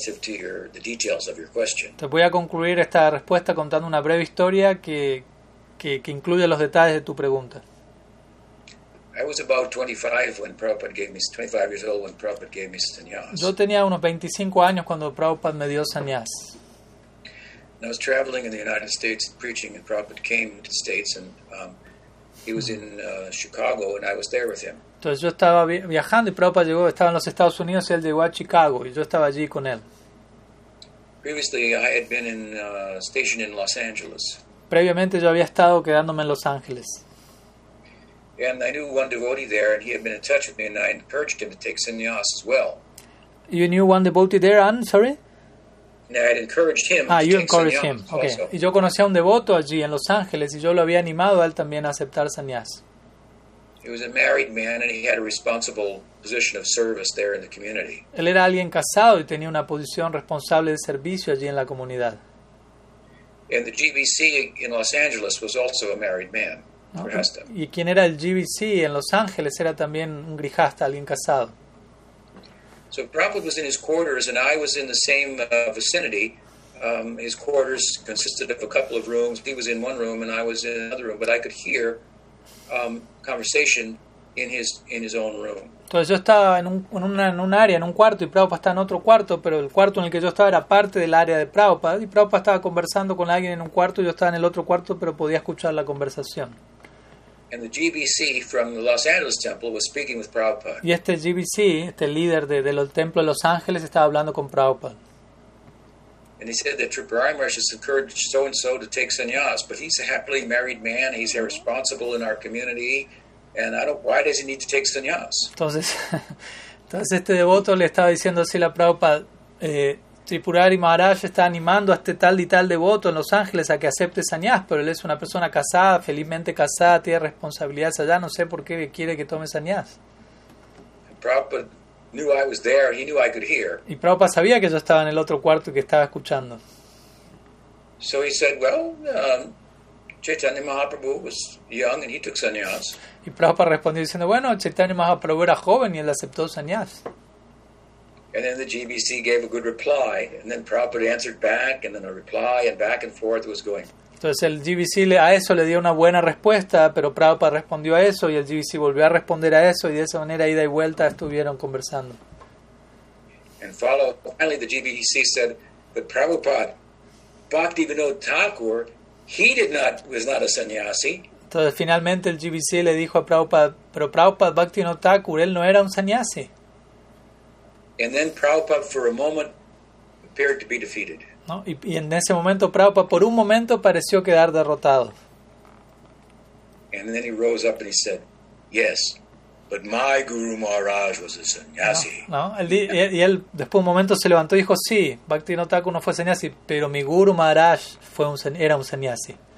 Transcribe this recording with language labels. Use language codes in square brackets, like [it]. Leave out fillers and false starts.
[es] Te voy a concluir esta respuesta contando una breve historia que incluye los detalles de tu pregunta. [en] I was about 25 when Prabhupada gave me 25 years old when Prabhupada gave me sannyas. [es] Yo tenía unos 25 años cuando Prabhupada me dio sannyas. [en] I was traveling in the United States preaching, and Prabhupada came to the States, and he was in Chicago, and I was there with him. [es] Entonces yo estaba viajando y Prabhupada estaba en los Estados Unidos y él llegó a Chicago y yo estaba allí con él. [en] Previously, I had been in, stationed in Los Angeles. [es] Previamente, yo había estado quedándome en Los Ángeles. [en] And I knew one devotee there, and he had been in touch with me, and I encouraged him to take sannyas as well. You knew one devotee there, and sorry? No, I'd encouraged him. Ah, to you take encouraged him. Also. Okay. [es] Y yo conocía a un devoto allí en Los Ángeles, y yo lo había animado a él también a aceptar sannyas. [en] He was a married man, and he had a responsible position of service there in the community. [es] Él era alguien casado y tenía una posición responsable de servicio allí en la comunidad. [en] And the GBC in Los Angeles was also a married man. [es] Okay. Y quien era el GBC en Los Ángeles era también un grihasta, alguien casado. [en] So Prabhupada was in his quarters and I was in the same vicinity. His quarters consisted of a couple of rooms. He was in one room and I was in another room, but I could hear conversation in his own room. [es] Entonces yo estaba en un área, en un cuarto, y Prabhupada estaba en otro cuarto, pero el cuarto en el que yo estaba era parte del área de Prabhupada, y Prabhupada estaba conversando con alguien en un cuarto, y yo estaba en el otro cuarto, pero podía escuchar la conversación. [en] And the GBC from the Los Angeles temple was speaking with Prabhupada. [es] Y este GBC, este líder del templo de Los Ángeles, estaba hablando con Prabhupada. [en] And he said that Tripurari Maharaj has encouraged so-and-so to take sannyas, but he's a happily married man, he's irresponsible in our community, and I don't, why does he need to take sannyas? [es] Entonces este devoto le estaba diciendo así a Prabhupada, Tripurari Maharaj está animando a este tal y tal devoto en Los Ángeles a que acepte sannyas, pero él es una persona casada, felizmente casada, tiene responsabilidades allá, no sé por qué quiere que tome sannyas. [en] Prabhupada knew I was there, he knew I could hear. [es] Y Prabhupada sabía que yo estaba en el otro cuarto y que estaba escuchando. [en] So he said, well, Chaitanya Mahaprabhu was young and he took sannyas. [es] Y Prabhupada respondió diciendo, bueno, Chaitanya Mahaprabhu era joven y él aceptó sannyas. [en] And then the GBC gave a good reply, and then Prabhupada answered back, and then a reply, and back and forth was going. [es] Entonces el GBC a eso le dio una buena respuesta, pero Prabhupada respondió a eso, y el GBC volvió a responder a eso, y de esa manera, ida y vuelta, estuvieron conversando. [en] And finally the GBC said, but Prabhupada, Bhaktivinoda Thakur, he did not, was not a sannyasi. [es] Entonces finalmente el GBC le dijo a Prabhupada, pero Prabhupada Bhaktivinoda Thakur, él no era un sannyasi. [en] And then Prabhupada, for a moment, appeared to be defeated. [es] No, y en ese momento Prabhupada, por un momento, pareció quedar derrotado. [en] And then he rose up and he said, "Yes, but my Guru Maharaj was a sannyasi." [es] No, él después de un momento se levantó y dijo, "Sí, Bhaktivinoda Thakur no fue sannyasi, pero mi Guru Maharaj era un sannyasi."